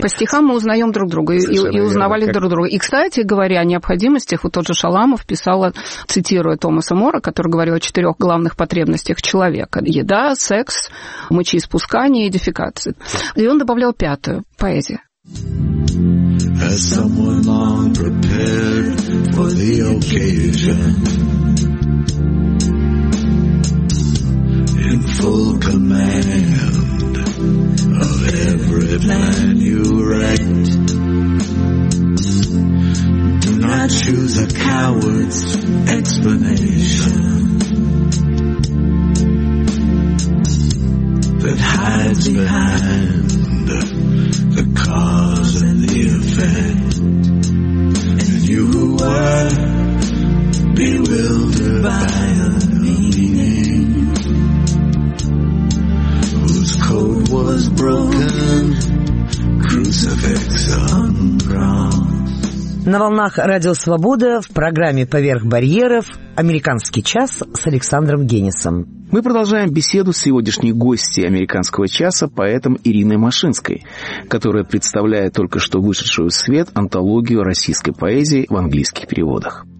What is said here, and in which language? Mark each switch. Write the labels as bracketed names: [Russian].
[Russian] По стихам мы узнаем друг друга и узнавали друг друга. И, кстати говоря, о необходимостях, вот тот же Шаламов писал, цитируя Томаса Мора, который говорил о четырех главных потребностях человека: еда, секс, мочеиспускание и дефекация. И он добавлял пятую – поэзия. [English] Has someone long prepared for the occasion? In full command of every plan you write. Do not choose a coward's explanation that hides behind the cause and the effect. And you who were bewildered by the meaning, whose code was broken, crucifix on cross. [Russian] На волнах Радио Свобода в программе «Поверх барьеров» «Американский час» с Александром Генисом. Мы продолжаем беседу с сегодняшней гостьей «Американского часа» поэтом Ириной Машинской, которая представляет только что вышедшую в свет антологию российской поэзии в английских переводах.